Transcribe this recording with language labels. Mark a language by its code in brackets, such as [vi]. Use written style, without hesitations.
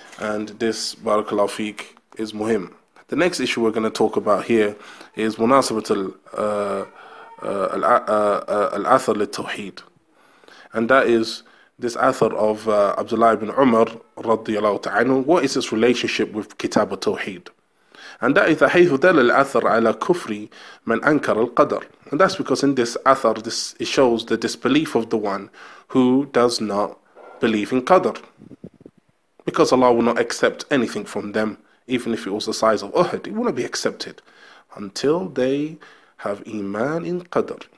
[en] And this, barakallahu feek, is muhim. The next issue we're going to talk about here is [ar] munasabat al al-athar lit-tawheed, [en] and that is this athar of Abdullah ibn Umar radiyallahu ta'anhu. What is his relationship with Kitab al-Tawheed? And that is [ar] حيث دل الأثر على كفر من أنكر القدر. [en] And that's because in this athar, this it shows the disbelief of the one who does not believe in qadr, because Allah will not accept anything from them, even if it was the size of Uhud, it will not be accepted until they have iman in qadr.